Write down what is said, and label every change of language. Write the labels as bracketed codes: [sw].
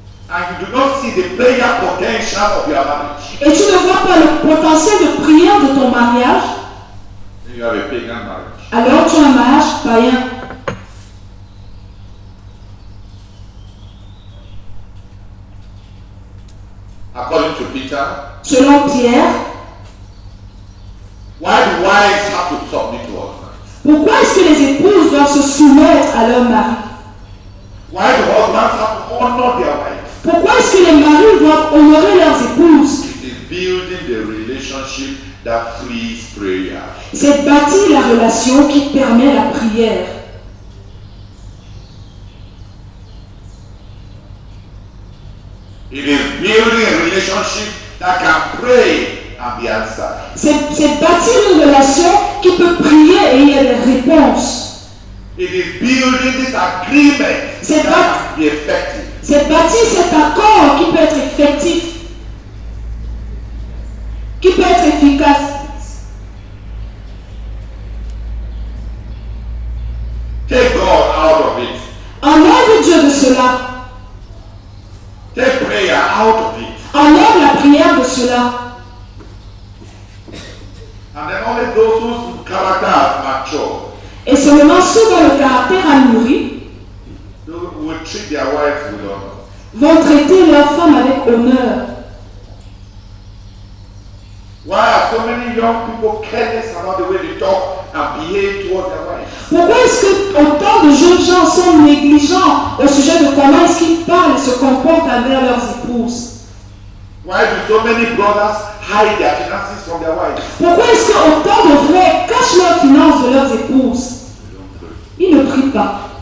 [en] and you do not see the prayer potential of your marriage, [fr] et tu ne vois pas le potentiel de prière de ton mariage, [en] then you have a pagan marriage. [fr] Alors tu as un mariage païen. [en] According to Peter, [fr] selon Pierre, [en] why do wives have to submit to us? [fr] Pourquoi est-ce que les épouses doivent se soumettre à leur mari? [en] Why do husbands have to honor their wives? [fr] Pourquoi est-ce que les maris doivent honorer leurs épouses? [en] It is building the relationship that frees prayer. [fr] C'est bâtir la relation qui permet la prière. [en] It is building a relationship that can pray. [fr] C'est bâtir une relation qui peut prier et il y a des réponses. [en] It is building this agreement. [fr] C'est bâtir cet accord qui peut être effectif. qui peut être efficace. [en] Take God out of it. [fr] Enlève Dieu de cela. [en] Take prayer out of it. [fr] Enlève la prière de cela. [en] And then only those whose character has matured. [fr] Et seulement ceux dont le caractère a mûri [en] will treat their wives with honor. [fr] Vont traiter leur femme avec honneur. [en] Why are so many young people careless about the way they talk and behave towards their wives? [fr] Pourquoi est-ce que autant de jeunes gens sont négligents au sujet de comment est-ce qu'ils parlent et se comportent envers leurs épouses? [en] Why do so many brothers hide their finances from their wives? [fr] Pourquoi est-ce que autant de frères cachent leurs finances de leurs épouses? Ils ne prient pas.